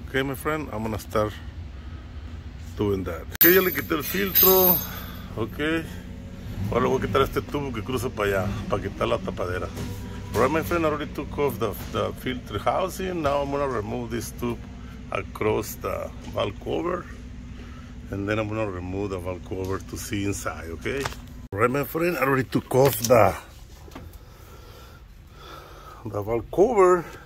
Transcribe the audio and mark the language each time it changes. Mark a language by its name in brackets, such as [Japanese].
[English] Ok, my friend, I'm gonna start doing that. [Spanish] Ok, ya le quité el filtro. Ok. Ahora le voy a quitar este tubo que cruza para allá, para quitar la tapadera. [English] Right, my friend, I already took off the filter housing. Now I'm gonna remove this tube across the valve cover. And then I'm gonna remove the valve cover to see inside, ok? Right, my friend, I already took off the valve cover.